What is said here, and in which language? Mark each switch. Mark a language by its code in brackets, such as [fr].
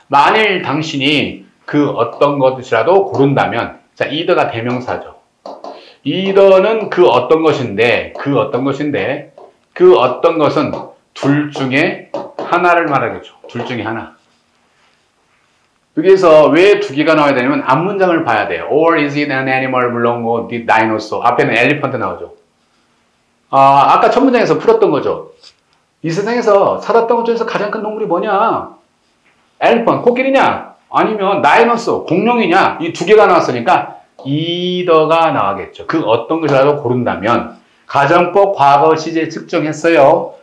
[ko] 만일 당신이 그 어떤 것이라도 고른다면, 자, either가 대명사죠. either는 그 어떤 것인데, 그 어떤 것인데, 그 어떤 것은 둘 중에 하나를 말하겠죠. 둘 중에 하나. 여기에서 왜 두 개가 나와야 되냐면, 앞 문장을 봐야 돼요. [en] Or is it an animal belong to the dinosaur? [ko] 앞에는 elephant 나오죠. 아, 아까 첫 문장에서 풀었던 거죠. 이 세상에서 살았던 것 중에서 가장 큰 동물이 뭐냐? elephant, 코끼리냐? 아니면 dinosaur, 공룡이냐? 이 두 개가 나왔으니까 either가 나와겠죠. 그 어떤 것이라도 고른다면 가정법 과거 시제 측정했어요.